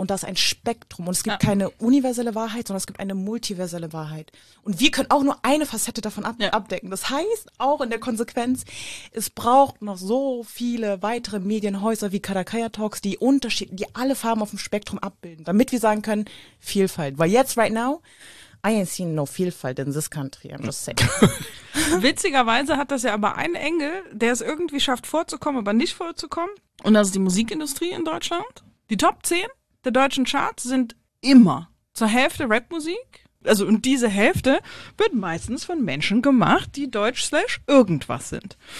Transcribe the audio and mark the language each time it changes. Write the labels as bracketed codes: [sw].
[de] Und da ist ein Spektrum. Und es gibt keine universelle Wahrheit, sondern es gibt eine multiverselle Wahrheit. Und wir können auch nur eine Facette davon abdecken. Das heißt auch in der Konsequenz, es braucht noch so viele weitere Medienhäuser wie Kadakaya Talks, die alle Farben auf dem Spektrum abbilden, damit wir sagen können, Vielfalt. Weil jetzt, [en] right now, I ain't seen no Vielfalt in this country, I'm just saying. [de] Witzigerweise hat das ja aber einen Engel, der es irgendwie schafft vorzukommen, aber nicht vorzukommen. Und das ist die Musikindustrie in Deutschland. Die Top 10 der deutschen Charts sind immer zur Hälfte Rapmusik. Also und diese Hälfte wird meistens von Menschen gemacht, die deutsch / irgendwas sind.